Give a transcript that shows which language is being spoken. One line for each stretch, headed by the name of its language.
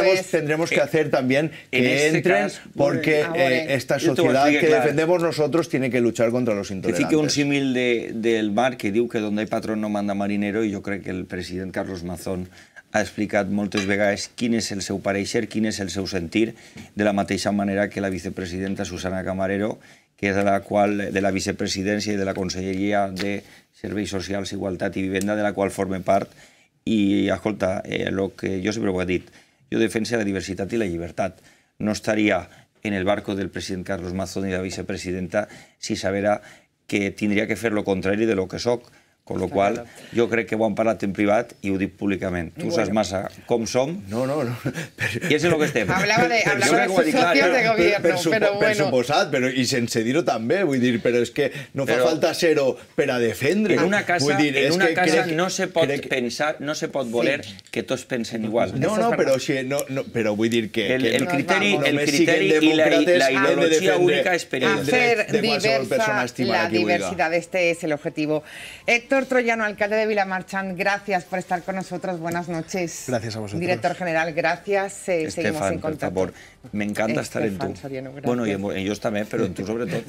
Spanish: Tendremos que hacer también que entren, porque esta sociedad que defendemos nosotros tiene que luchar contra los intolerantes. Dice que un símil del mar que diu que donde hay patrón no manda marinero, y yo creo que el presidente Carlos Mazón
Catalan: ha explicat moltes vegades quin és el seu pareixer, quin és el seu sentir, de la mateixa manera que la vicepresidenta Susana Camarero, que és de la vicepresidència i de la Conselleria de Serveis Socials, Igualtat i Vivenda, de la qual forma part. I, escolta, el que jo sempre ho he dit, jo defense la diversitat i la llibertat. No estaria en el barco del president Carlos Mazón i de la vicepresidenta si sabera que tindria que fer lo contrari de lo que soc.
Spanish: Con lo cual, yo creo que
Catalan: ho han parlat en privat i ho dic públicament. Tu saps massa com som. No. I és el que estem.
Spanish: Hablava de socios de gobierno, pero bueno.
Catalan: Suposat, però i sense dir-ho també. Vull dir, però és que no fa falta ser-ho per a defendre. En una casa, vull dir, en una casa crec, no se pot crec... pensar, no se pot voler sí. que tots pensen igual. No, però vull dir que... El criteri i la ideologia única és periodista.
Spanish: Hacer diversa la diversidad. Este es el objetivo. Héctor Troyano, alcalde de Vilamarchant, gracias por estar con nosotros. Buenas noches. Gracias a vosotros. Director general, gracias. Estefan, seguimos en contacto. Por favor, me encanta estar en tú. Bueno, y ellos también, pero en tú sobre todo.